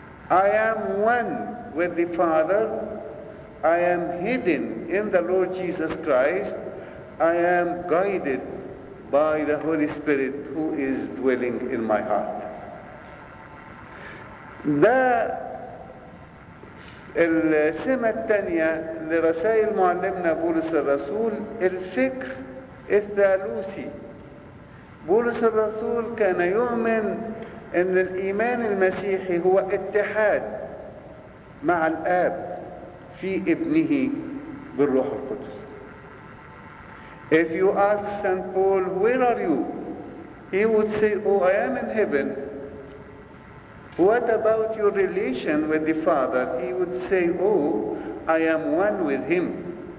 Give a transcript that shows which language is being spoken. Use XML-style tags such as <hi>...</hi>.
<en>I am one with the Father. I am hidden in the Lord Jesus Christ. I am guided by the Holy Spirit who is dwelling in my heart.</en> <ar>السمة الثانية لرسائل معلمنا بولس الرسول الفكر الثالوثي. بولس الرسول كان يؤمن أن الإيمان المسيحي هو اتحاد مع الآب في ابنه بالروح القدس.</ar> <en>If you ask St. Paul, where are you? He would say, oh, I am in heaven. What about your relation with the Father? He would say, oh, I am one with him.</en>